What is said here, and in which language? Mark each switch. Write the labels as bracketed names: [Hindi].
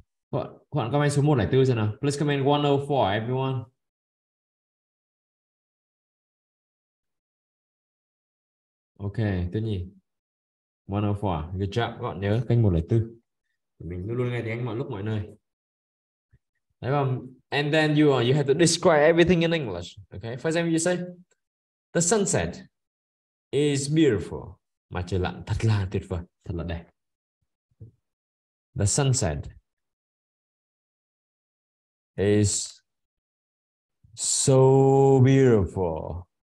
[Vietnamese] Các bạn comment số 104 xem nào. [English] Please comment 104 everyone. [Vietnamese] Ok, tiếp nhỉ. 104, [English] good job. [Vietnamese] Các bạn nhớ kênh 104. Mình luôn luôn nghe tiếng Anh mọi lúc mọi nơi. Đấy không? [English] And then you have to describe everything in English. Okay, for example, you say, the sunset is beautiful. [Vietnamese] Mặt trời lặn thật là tuyệt vời, thật là đẹp. [English] The sunset is so beautiful.